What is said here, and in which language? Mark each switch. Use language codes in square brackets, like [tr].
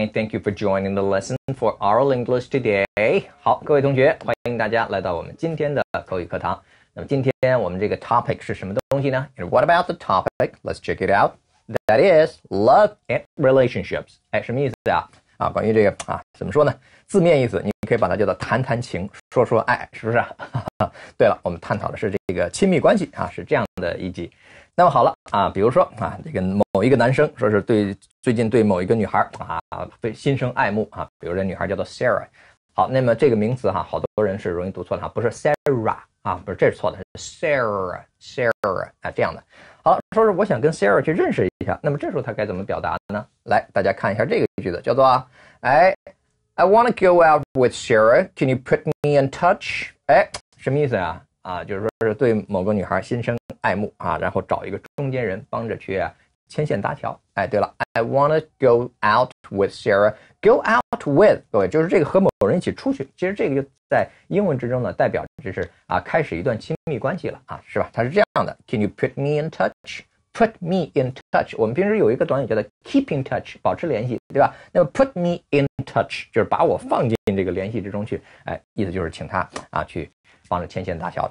[en] Thank you for joining the lesson for Oral English today. [zh] 好，各位同学，欢迎大家来到我们今天的口语课堂。那么今天我们这个 topic 是什么东西呢？ [en] And what about the topic? Let's check it out. That is love and relationships. [zh] 哎，什么意思啊？啊，关于这个啊，怎么说呢？字面意思，你可以把它叫做谈谈情，说说爱，是不是？对了，我们探讨的是这个亲密关系啊，是这样的一集。那么好了啊，比如说啊，这个某一个男生说是对最近对某一个女孩啊，被心生爱慕啊，比如这女孩叫做 Sarah。好，那么这个名词哈，好多人是容易读错了哈，不是 Sarah 啊，不是，这是错的，是 Sarah 啊，这样的。好了，说是我想跟 Sarah 去认识一下，那么这时候他该怎么表达呢？来，大家看一下这个句子，叫做哎。 [en] I want to go out with Sarah. Can you put me in touch? [zh] 哎，什么意思啊？啊，就是说是对某个女孩心生爱慕啊，然后找一个中间人帮着去牵线搭桥。哎，对了 [en] ，I want to go out with Sarah. Go out with [zh] 各位，就是这个和某人一起出去。其实这个就在英文之中呢，代表就是啊，开始一段亲密关系了啊，是吧？它是这样的。 [en] Can you put me in touch? Put me in touch. [zh] 我们平时有一个短语叫做 [en] keep in touch, [zh] 保持联系，对吧？那么 [en] put me in touch [zh] 就是把我放进这个联系之中去，哎，意思就是请他啊去帮着牵线搭桥。